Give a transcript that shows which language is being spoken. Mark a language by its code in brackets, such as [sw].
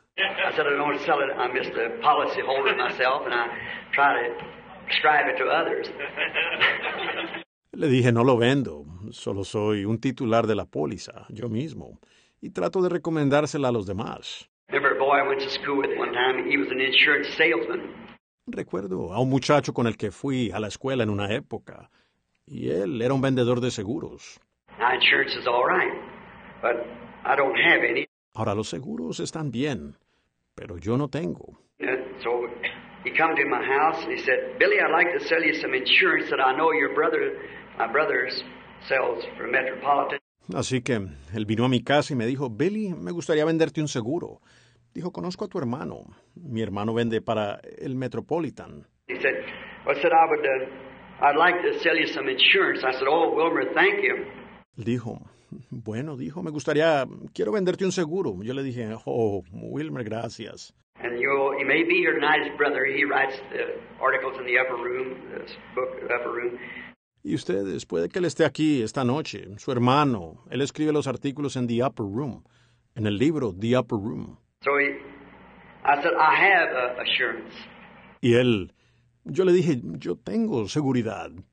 [en] I said, I don't want to sell it. I'm just a policy holder myself, and I try to describe it to others. [es] Le dije, no lo vendo, solo soy un titular de la póliza, yo mismo, y trato de recomendársela a los demás. [en] Remember a boy I went to school with one time, he was an insurance salesman. [es] Recuerdo a un muchacho con el que fui a la escuela en una época, y él era un vendedor de seguros. [en] Now, insurance is all right, but I don't have any. [es] Ahora, los seguros están bien, pero yo no tengo. [en] So he came to my house and he said, Billy, I'd like to sell you some insurance that I know your brother, my brother sells for Metropolitan. [es] Así que él vino a mi casa y me dijo, Billy, me gustaría venderte un seguro. Dijo, conozco a tu hermano. Mi hermano vende para el Metropolitan. [en] He said, well, I said, I'd like to sell you some insurance. I said, oh, Wilmer, thank you. [es] Dijo, bueno, dijo, me gustaría, quiero venderte un seguro. Yo le dije, oh, Wilmer, gracias. [en] And he may be here tonight, his brother. He writes the articles in the upper room, this book, the upper room. [es] Y ustedes, puede que él esté aquí esta noche. Su hermano, él escribe los artículos en the upper room, en el libro The Upper Room. [en] So I said, I have assurance. [es] Y él, yo le dije, yo tengo seguridad.